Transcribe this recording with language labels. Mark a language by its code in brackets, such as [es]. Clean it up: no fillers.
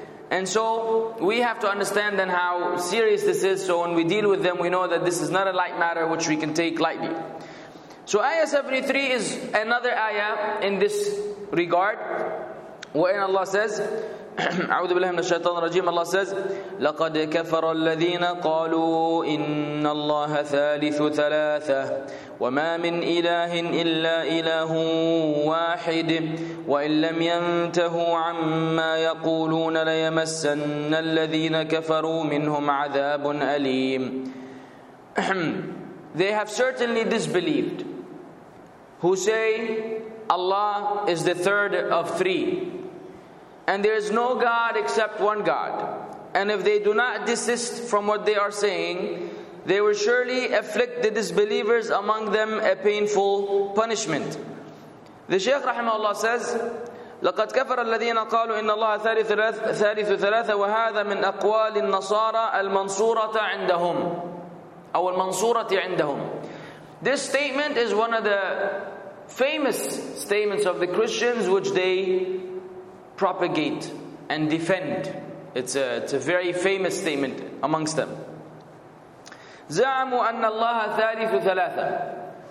[en] And so we have to understand then how serious this is. So when we deal with them, we know that this is not a light matter which we can take lightly. So ayah 73 is another ayah in this regard, wherein Allah says, [ar] أعوذ بالله من الشيطان الرجيم. الله [en] says, [ar] لقد كفر الذين قالوا إن الله ثالث ثلاثة وما من إله إلا إله واحد وإن لم ينتهوا عما يقولون ليمسن الذين كفروا منهم عذاب أليم. [en] They have certainly disbelieved who say Allah is the third of three, and there is no God except one God. And if they do not desist from what they are saying, they will surely afflict the disbelievers among them a painful punishment. The Shaykh rahimahullah says, [ar] لَقَدْ كَفَرَ الَّذِينَ قَالُوا إِنَّ اللَّهَ ثَالِثُ ثَلَاثَةَ وَهَذَا مِنْ أَقْوَالِ النَّصَارَى الْمَنْصُورَةَ عِنْدَهُمْ أو الْمَنْصُورَةِ عِنْدَهُمْ. [en] This statement is one of the famous statements of the Christians which they propagate and defend. It's a very famous statement amongst them. [ar] زَعَمُوا أَنَّ اللَّهَ ثَالِثُ ثَلَاثًا.